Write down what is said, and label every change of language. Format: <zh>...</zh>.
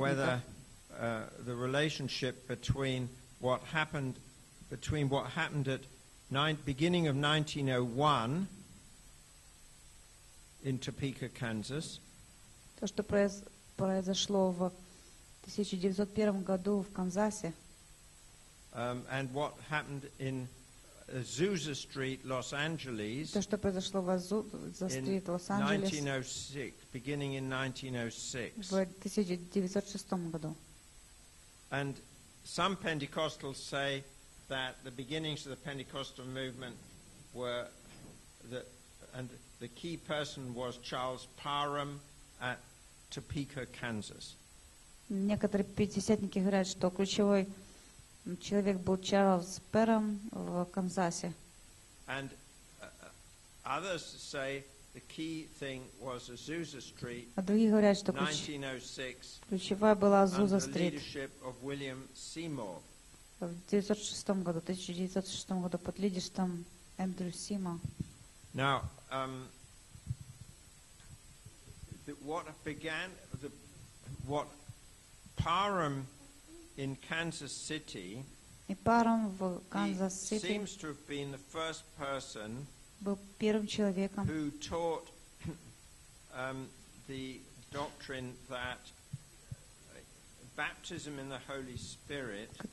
<en>whether the relationship between what happened at beginning of 1901 in Topeka, Kansas,</en> <ru>то что произошло в 1901 году в Канзасе,</ru> <en>and what happened in Azusa Street, Los Angeles.</en> <ru>То, что произошло в Азуза Стрит, Лос-Анджелес.</ru> <en>1906, beginning in 1906.</en> <ru>В 1906 году.</ru> <en>And some Pentecostals say that the beginnings of the Pentecostal movement were and the key person was Charles Parham at Topeka, Kansas.</en> <ru>Некоторые пятидесятники говорят, что ключевой человек был Чарльз Перрем в Канзасе.</ru> <en>And others say the key thing was Azusa Street.</en> <ru>А другие говорят, что ключевая была Азуза Стрит.</ru> <en>Under leadership of William Seymour.</en> <ru>В 1906 году, под лидерством Эндрю Симор.</ru> <en>Now, what began what Parham in Kansas City, seems to have been the first person who taught the doctrine that baptism in the Holy Spirit</en>